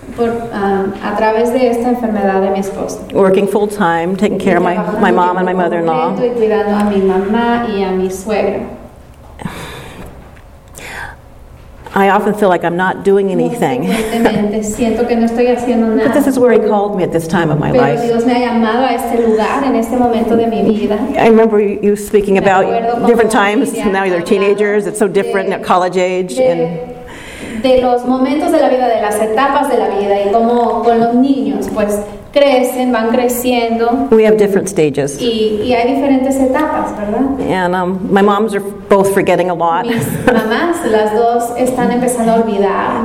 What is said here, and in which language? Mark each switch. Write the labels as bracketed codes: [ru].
[es] a través de esta enfermedad de mi esposo, [en] working full time, taking care of my mom and my mother-in-law, [es] y cuidando a mi mamá y a mi suegra, [en] I often feel like I'm not doing anything. [es] Siento que no estoy haciendo nada. [en] But this is where he called me at this time of my life. I remember you speaking about different times. Now you're teenagers. It's so different at college age. [es] De los momentos de la vida, de las etapas de la vida, y como con los niños, pues crecen, van creciendo. [en] We have different stages. [es] Y hay diferentes etapas, ¿verdad? [en] And my moms are both forgetting a lot. [es] Mis mamás, las dos están empezando a olvidar